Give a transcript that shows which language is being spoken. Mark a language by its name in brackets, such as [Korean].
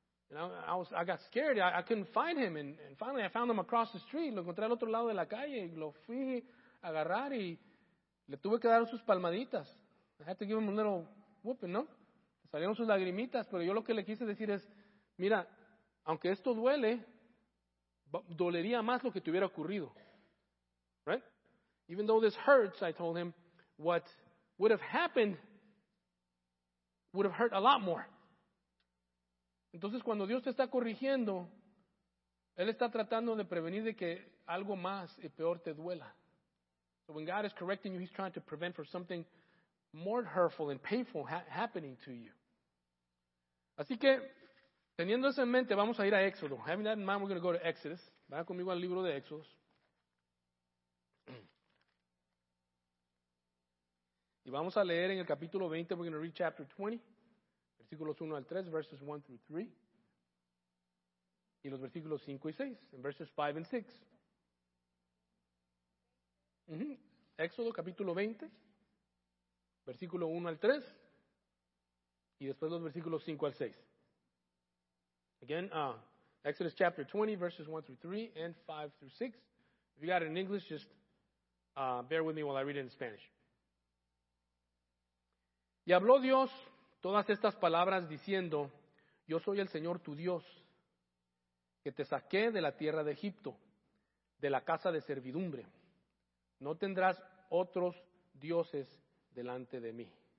[English] I got scared, I couldn't find him, and finally I found him across the street. [Spanish] Lo encontré al otro lado de la calle, y lo fui a agarrar, y le tuve que dar sus palmaditas. [English] I had to give him a little whooping, [Spanish] ¿no? Salieron sus lagrimitas, pero yo lo que le quise decir es, mira, aunque esto duele, dolería más lo que te hubiera ocurrido. [English] Right? Even though this hurts, I told him, what would have happened would have hurt a lot more. [Spanish] Entonces, cuando Dios te está corrigiendo, Él está tratando de prevenir de que algo más y peor te duela. [English] So when God is correcting you, He's trying to prevent for something more hurtful and painful happening to you. [Spanish] Así que, teniendo eso en mente, vamos a ir a Éxodo. [English] Having that in mind, we're going to go to Exodus. [Spanish] Vaya conmigo al libro de Éxodos. Y vamos a leer en el capítulo 20, [English] we're going to read chapter 20, [Spanish] versículos 1 al 3, [English] verses 1 through 3, [Spanish] y los versículos 5 y 6, [English] and verses 5 and 6. [Spanish] Éxodo, capítulo 20, versículo 1 al 3, y después los versículos 5 al 6. [English] Again, Exodus chapter 20, verses 1 through 3, and 5 through 6. If you got it in English, just bear with me while I read it in Spanish. [Spanish] Y habló Dios todas estas palabras diciendo, yo soy el Señor tu Dios, que te saqué de la tierra de Egipto, de la casa de servidumbre. No tendrás otros dioses delante de mí.